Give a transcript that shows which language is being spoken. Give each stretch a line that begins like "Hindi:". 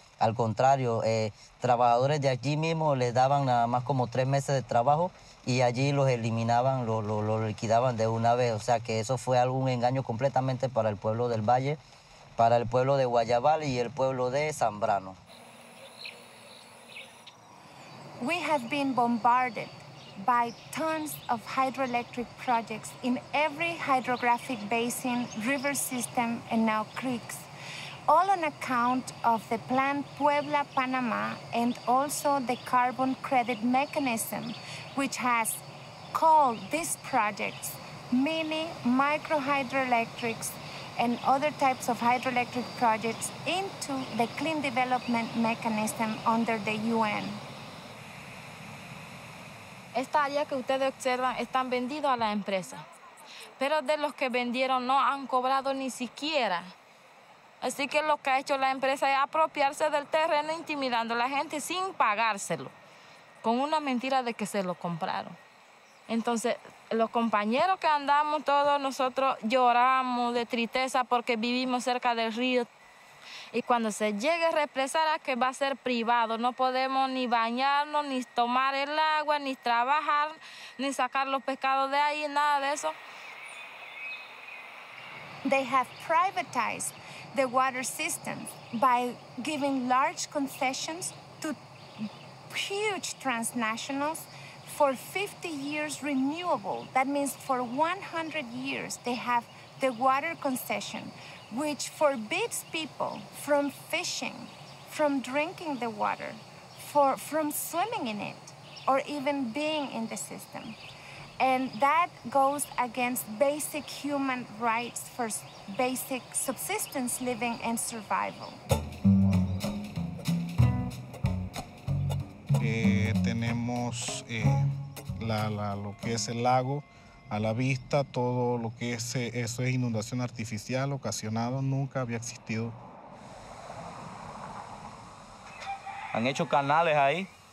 Spanish: Al contrario, trabajadores de allí mismo les daban nada más como 3 meses de trabajo y allí los eliminaban, lo liquidaban de una vez. O sea que eso fue algún engaño completamente para el pueblo del Valle, para el pueblo de Guayabal y el pueblo de Zambrano.
English: We have been bombarded by tons of hydroelectric projects in every hydrographic basin, river system, and now creeks, all on account of the plan Puebla Panama and also the carbon credit mechanism, which has called these projects mini micro hydroelectrics and other types of hydroelectric projects into the clean development mechanism under the UN.
Spanish: Esta área que ustedes observan están vendidos a la empresa, pero de los que vendieron no han cobrado ni siquiera. Así que lo que ha hecho la empresa es apropiarse del terreno, intimidando a la gente sin pagárselo, con una mentira de que se lo compraron. Entonces, los compañeros que andamos todos nosotros lloramos de tristeza porque vivimos cerca del río. Y cuando se llegue a represar, que va a ser privado. No podemos ni bañarnos, ni tomar el agua, ni trabajar, ni sacar los pescados de ahí, nada de eso.
English: They have privatized the water systems by giving large concessions to huge transnationals for 50 years renewable. That means for 100 years they have the water concession, which forbids people from fishing, from drinking the water, from swimming in it, or even being in the system. And that goes against basic human rights for basic subsistence living and survival.
Spanish: Tenemos lo que es el lago a la vista, todo lo que es eso es inundación artificial ocasionado, nunca había existido. Han hecho canales ahí.